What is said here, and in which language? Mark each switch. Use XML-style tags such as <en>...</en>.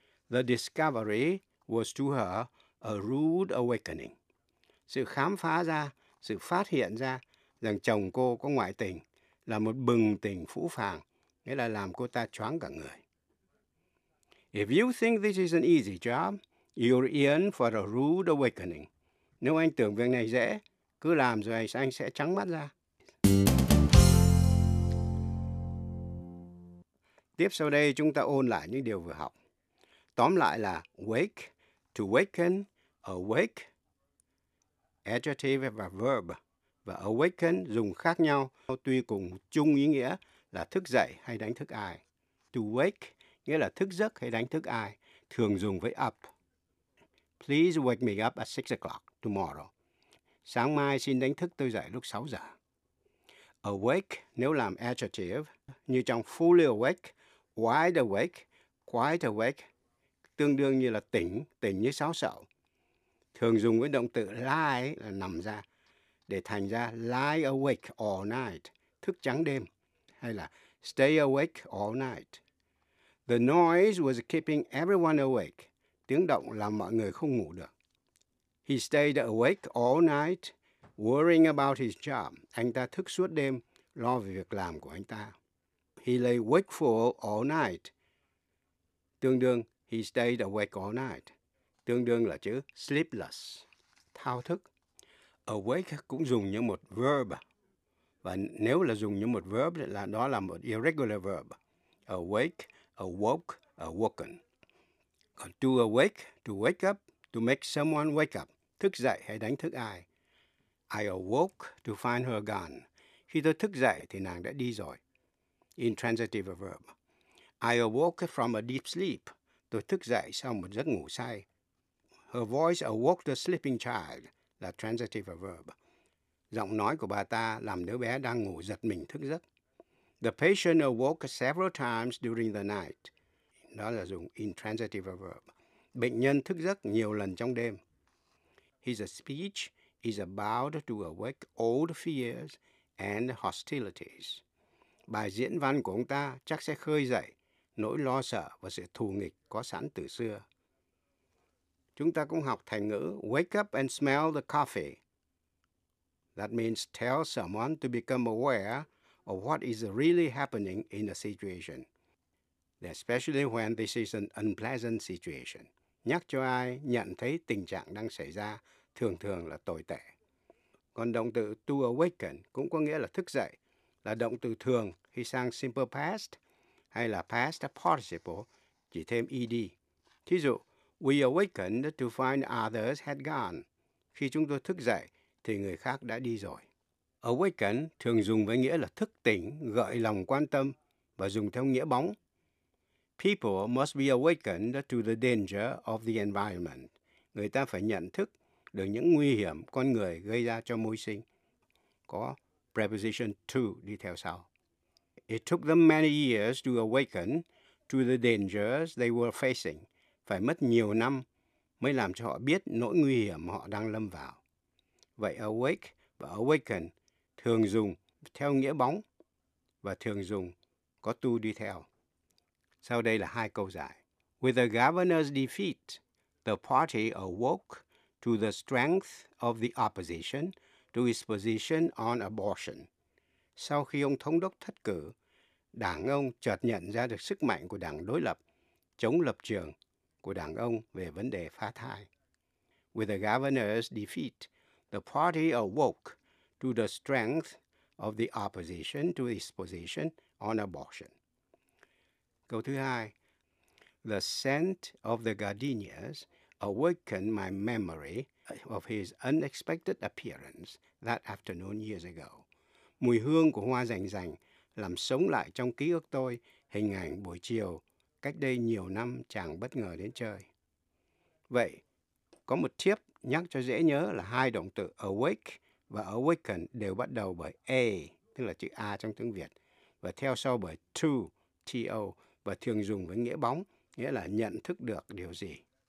<en>The discovery was to her a rude awakening.</en> <vi>Sự khám phá ra, sự phát hiện ra rằng chồng cô có ngoại tình là một bừng tỉnh phũ phàng, nghĩa là làm cô ta choáng cả người.</vi> <en>If you think this is an easy job, you're in for a rude awakening.</en> <vi>Nếu anh tưởng việc này dễ, cứ làm rồi anh sẽ trắng mắt ra. Tiếp sau đây chúng ta ôn lại những điều vừa học. Tóm lại là wake, to waken, awake, adjective và verb, và awaken dùng khác nhau, tuy cùng chung ý nghĩa là thức dậy hay đánh thức ai. To wake nghĩa là thức giấc hay đánh thức ai, thường dùng với up.</vi> <en>Please wake me up at 6 o'clock tomorrow.</en> <vi>Sáng mai xin đánh thức tôi dậy lúc 6 giờ. Awake nếu làm adjective, như trong fully awake, wide awake, quiet awake, tương đương như là tỉnh, tỉnh như sáo sậu. Thường dùng với động từ lie là nằm ra, để thành ra lie awake all night, thức trắng đêm, hay là stay awake all night.</vi> <en>The noise was keeping everyone awake.</en> <vi>Tiếng động làm mọi người không ngủ được.</vi> <en>He stayed awake all night, worrying about his job.</en> <vi>Anh ta thức suốt đêm, lo về việc làm của anh ta.</vi> <en>He lay wakeful all night.</en> <vi>Tương đương,</vi> <en>he stayed awake all night.</en> <vi>Tương đương là chữ sleepless, thao thức. Awake cũng dùng như một verb. Và nếu là dùng như một verb, là đó là một irregular verb.</vi> <en>Awake, awoke, awoken.</en> <vi>Còn</vi> <en>to awake, to wake up, to make someone wake up.</en> <vi>Thức dậy hay đánh thức ai.</vi> <en>I awoke to find her gone.</en> <vi>Khi tôi thức dậy thì nàng đã đi rồi. Intransitive verb.</vi> <en>I awoke from a deep sleep.</en> <vi>Tôi thức dậy sau một giấc ngủ say.</vi> <en>Her voice awoke the sleeping child,</en> <vi>là</vi> <en>transitive verb.</en> <vi>Giọng nói của bà ta làm đứa bé đang ngủ giật mình thức giấc.</vi> <en>The patient awoke several times during the night.</en> <vi>Đó là dùng intransitive verb. Bệnh nhân thức giấc nhiều lần trong đêm.</vi> <en>His speech is about to awake old fears and hostilities.</en> <vi>Bài diễn văn của ông ta chắc sẽ khơi dậy nỗi lo sợ và sự thù nghịch có sẵn từ xưa. Chúng ta cũng học thành ngữ</vi> <en>wake up and smell the coffee. That means tell someone to become aware of what is really happening in a situation, especially when this is an unpleasant situation.</en> <vi>Nhắc cho ai nhận thấy tình trạng đang xảy ra thường thường là tồi tệ. Còn động từ to awaken cũng có nghĩa là thức dậy, là động từ thường khi sang simple past hay là past participle chỉ thêm ed. Thí dụ,</vi> <en>we awakened to find others had gone.</en> <vi>Khi chúng tôi thức dậy thì người khác đã đi rồi. Awaken thường dùng với nghĩa là thức tỉnh, gợi lòng quan tâm và dùng theo nghĩa bóng.</vi> <en>People must be awakened to the danger of the environment.</en> <vi>Người ta phải nhận thức được những nguy hiểm con người gây ra cho môi sinh. Có preposition to đi theo sau.</vi> <en>It took them many years to awaken to the dangers they were facing.</en> <vi>Phải mất nhiều năm mới làm cho họ biết nỗi nguy hiểm họ đang lâm vào. Vậy awake và awaken thường dùng theo nghĩa bóng và thường dùng có to đi theo. Sau đây là hai câu giải.</vi> <en>With the governor's defeat, the party awoke to the strength of the opposition to its position on abortion.</en> <vi>Sau khi ông thống đốc thất cử, đảng ông chợt nhận ra được sức mạnh của đảng đối lập, chống lập trường của đảng ông về vấn đề phá thai.</vi> <en>With the governor's defeat, the party awoke to the strength of the opposition to its position on abortion.</en> <vi>Câu thứ hai,</vi> <en>the scent of the gardenias awakened my memory of his unexpected appearance that afternoon years ago.</en> <vi>Mùi hương của hoa rành rành làm sống lại trong ký ức tôi hình ảnh buổi chiều cách đây nhiều năm chàng bất ngờ đến chơi. Vậy, có một tip nhắc cho dễ nhớ là hai động từ awake và awaken đều bắt đầu bởi A, tức là chữ A trong tiếng Việt, và theo sau bởi to, T-O, và thường dùng với nghĩa bóng, nghĩa là nhận thức được điều gì.</vi>